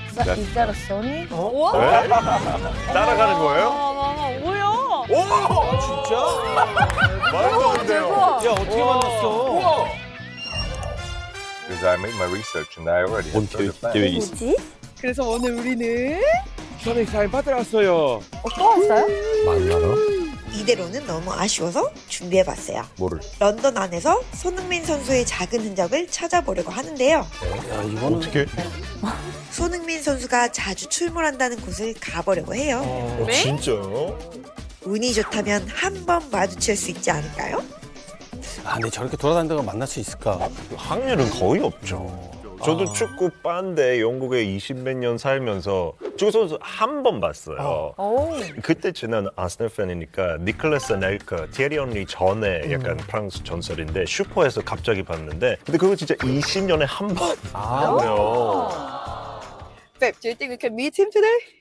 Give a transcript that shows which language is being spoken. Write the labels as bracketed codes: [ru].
[ko] 진짜로 손이? 따라가는 거예요? 뭐야? 오! 진짜? 말도 안 돼요. 야 어떻게 만났어? [en] Because I made my research and I already have to do it. [ko] 그래서 오늘 우리는 전에 사인 받으러 왔어요. 또 왔어요? 만나러? 이대로는 너무 아쉬워서 준비해봤어요. 뭐를? 런던 안에서 손흥민 선수의 작은 흔적을 찾아보려고 하는데요. 야 이건 어떻게? 손흥민 선수가 자주 출몰한다는 곳을 가보려고 해요. 진짜요? 운이 좋다면 한번 마주칠 수 있지 않을까요? 근데 저렇게 돌아다니다가 만날 수 있을까? 확률은 거의 없죠. 저도 축구 반대 영국에 20몇 년 살면서 축구 선수 한 번 봤어요. 그때 저는 아스널 팬이니까 니콜라스 넬크, 티에리 언리 전에 약간 프랑스 전설인데 슈퍼에서 갑자기 봤는데 근데 그거 진짜 20년에 한 번? [en] Babe, do you think we can meet him today?